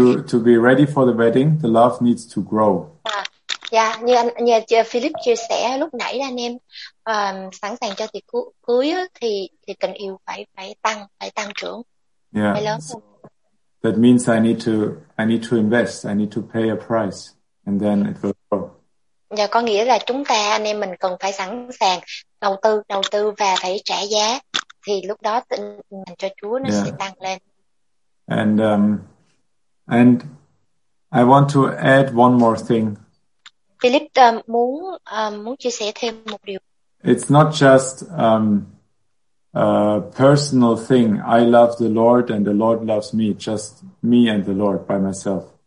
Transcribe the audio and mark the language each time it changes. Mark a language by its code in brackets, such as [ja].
[en] to be ready for the wedding, the love needs to grow. [vi] Như Philip chia sẻ lúc nãy anh em sẵn sàng cho tiệc cưới thì tình yêu phải tăng trưởng. Yeah. Phải lớn. [en] That means I need to invest, I need to pay a price, and then it will grow. [vi] Dạ, có nghĩa là chúng ta anh em mình cần phải sẵn sàng đầu tư và phải trả giá, thì lúc đó tình mình cho Chúa nó sẽ tăng lên. [en] And and I want to add one more thing. [vi] Philip muốn chia sẻ thêm một điều. [en] It's not just a personal thing. I love the Lord and the Lord loves me. Just me and the Lord by myself.